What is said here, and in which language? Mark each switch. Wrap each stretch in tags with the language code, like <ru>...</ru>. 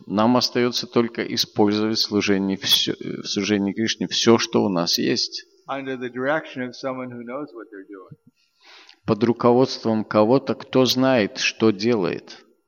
<ru>Нам остается только использовать в служении Кришне все, что у нас есть.</ru> <en>Under the direction of someone who knows what they're doing.</en> <ru>Под руководством кого-то, кто знает, что делает.</ru>